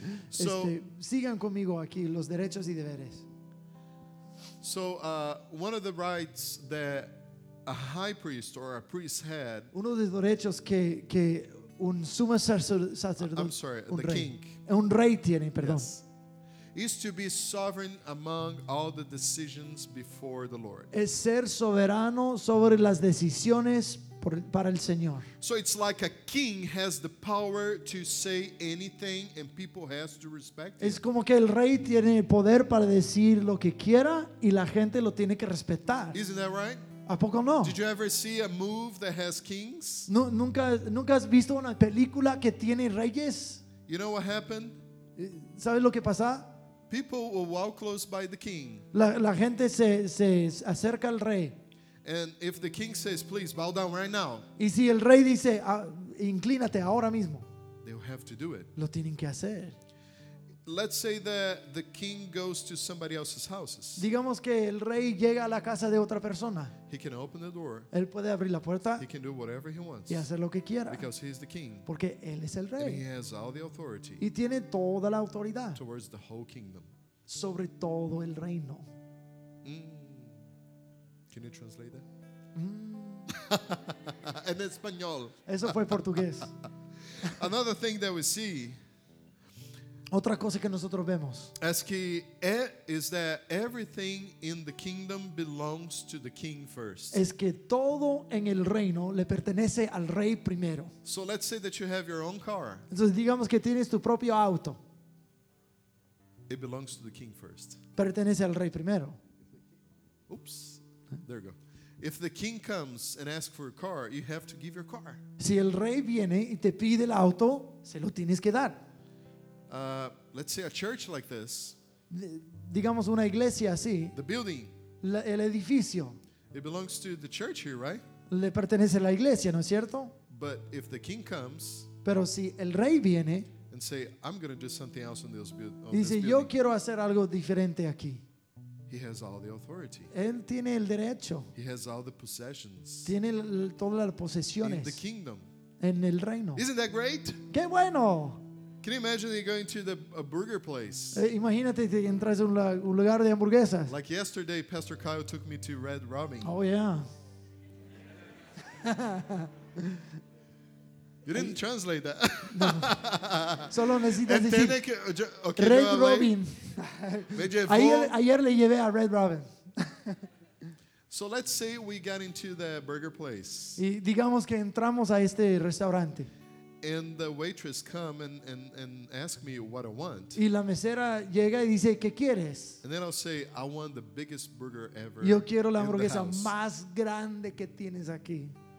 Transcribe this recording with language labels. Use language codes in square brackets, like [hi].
[es] So sigan conmigo aquí los derechos y deberes. [en] So one of the rights that a high priest or a priest had. [es] Uno de los derechos que un sumo sacerdote. [en] I'm sorry, the king. [es] Un rey tiene, perdón. [en] Yes. Is to be sovereign among all the decisions before the Lord. [es] Es ser soberano sobre las decisiones para el Señor. [en] So it's like a king has the power to say anything and people has to respect [es] it. Es como que el rey tiene el poder para decir lo que quiera y la gente lo tiene que respetar. [en] Isn't that right? [es] ¿A poco no? [en] Did you ever see a move that has kings? [es] No, nunca has visto una película que tiene reyes. [en] You know what happened? [es] ¿Sabes lo que pasa? [en] People will walk close by the king. [es] La gente se acerca al rey. [en] And if the king says, please bow down right now. [es] Y si el rey dice, inclínate ahora mismo. [en] They will have to do it. [es] Lo tienen que hacer. [en] Let's say that the king goes to somebody else's houses. [es] Digamos que el rey llega a la casa de otra persona. [en] He can open the door. [es] Él puede abrir la puerta. [en] He can do whatever he wants. [es] Y hacer lo que quiera. [en] Because he's the king. [es] Porque él es el rey. [en] And he has all the authority. [es] Y tiene toda la autoridad. [en] Towards the whole kingdom. [es] Sobre todo el reino. [en] Can you translate that? [es] En español. Eso fue portugués. [en] Another thing that we see. [es] Otra cosa que nosotros vemos. [en] Is that everything in the kingdom belongs to the king first. [es] Es que todo en el reino le pertenece al rey primero. [en] So let's say that you have your own car. [es] Entonces digamos que tienes tu propio auto. [en] It belongs to the king first. [es] Pertenece al rey primero. [en] Oops. There you go. If the king comes and asks for a car, you have to give your car. [es] Si el rey viene y te pide el auto, se lo tienes que dar. [en] Let's say a church like this. [es] Digamos una iglesia así. [en] The building. [es] El edificio. [en] It belongs to the church here, right? [es] Le pertenece a la iglesia, ¿no es cierto? [en] But if the king comes. [es] Pero si el rey viene. [en] And say, I'm going to do something else on this building. [es] Dice, yo quiero hacer algo diferente aquí. [en] He has all the authority. [es] Él tiene el derecho. [en] He has all the possessions. [es] Tiene todas las posesiones. [en] In the kingdom. [es] En el reino. [en] Isn't that great? [es] Qué bueno. [en] Can you imagine you going to a burger place? [es] Imagínate que entras a un lugar de hamburguesas. [en] Like yesterday, Pastor Kyle took me to Red Robin. Oh yeah. You didn't translate that. [es] No. Solo necesitas decir. [en] Okay, Red Robin. [es] Me llevó. Ayer le llevé a Red Robin. [en] So let's say we got into the burger place. [es] Y digamos que entramos a este restaurante. [en] And the waitress come and ask me what I want. [es] Y la mesera llega y dice, ¿qué quieres? [en] And then I'll say, I want the biggest burger ever. [es] Yo quiero la hamburguesa más grande que tienes aquí.